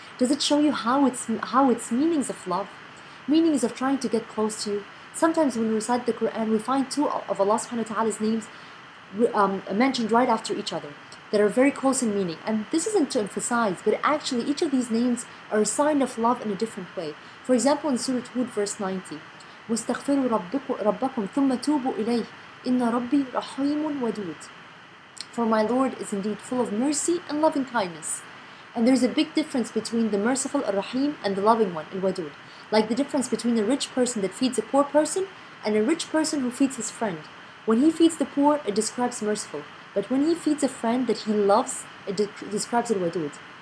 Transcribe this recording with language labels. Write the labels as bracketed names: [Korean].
[English] Does it show you how it's meanings of love? Meanings of trying to get close to you? Sometimes when we recite the Quran, we find two of Allah subhanahu wa ta'ala's names mentioned right after each other that are very close in meaning. And this isn't to emphasize, but actually each of these names are a sign of love in a different way. For example, in Surah Hud, verse 90, [Arabic] وَاسْتَغْفِرُوا رَبَّكُمْ ثُمَّ تُوبُوا إِلَيْهِ إِنَّ رَبِّي رَحِيمٌ وَدُودٌ. [English] For my Lord is indeed full of mercy and loving kindness. And there's a big difference between the merciful, al-Rahim, and the loving one, al-Wadud. Like the difference between a rich person that feeds a poor person and a rich person who feeds his friend. When he feeds the poor, it describes merciful. But when he feeds a friend that he loves, it describes al-Wadud.